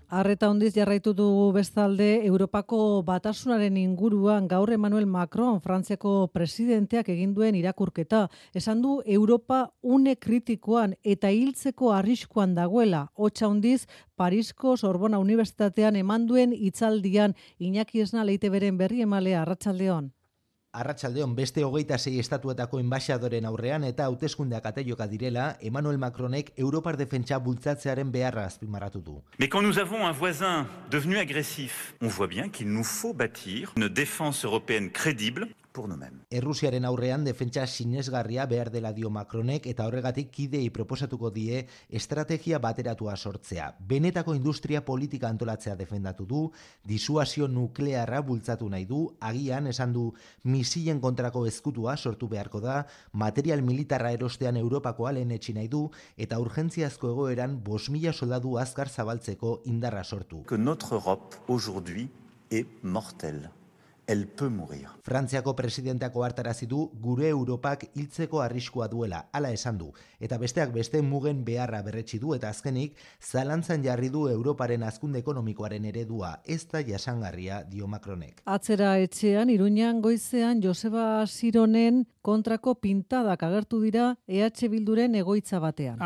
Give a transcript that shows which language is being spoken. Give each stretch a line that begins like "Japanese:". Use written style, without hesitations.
Basque: Arreta hondiz jarraitu dugu bestalde Europako batasunaren inguruan gaur Emmanuel Macron Frantziako presidenteak egin duen irakurketa, esan du Europa une kritikoan eta hiltzeko arriskuan dagoela, hotsa hondiz Parisko Sorbona Unibertsitatean eman duen hitzaldian Iñaki Esnal Eiteberen berri emalea arratsaldeon. Arratsaldeon beste 26 estatuetako enbaxadoren aurrean eta hauteskundeak ateioka direla, Emmanuel Macronek Europar defentsa bultzatzearen beharra azpimarratu du.
French: Mais quand nous avons un voisin devenu agressif, on voit bien qu'il nous faut bâtir une défense européenne crédible pour nous-mêmes.
Basque: Errusiaren aurrean defentsa sinesgarria behar dela dio Macronek eta horregatik kidei proposatuko die estrategia bateratua sortzea. Benetako industria politika antolatzea defendatu du, disuasio nuklearra bultzatu nahi du, agian esan du misilen kontrako ezkutua sortu beharko da, material militarra erostean Europakoa lehenetsi nahi du eta urgentziazko egoeran 5.000 soldadu azkar zabaltzeko indarra sortu.
French: Que notre Europe aujourd'hui est mortelle. Elle peut mourir.
Basque: Frantziako presidenteak ohartarazi du gure Europak hiltzeko arriskua duela, hala esan du, eta besteak beste mugen beharra berretsi du eta azkenik zalantzan jarri du Europaren hazkunde ekonomikoaren eredua, ez da jasangarria dio Macronek. Atzera etxean Iruñan goizean Joseba Sironen kontrako pintadak agertu dira EH Bilduren egoitza batean.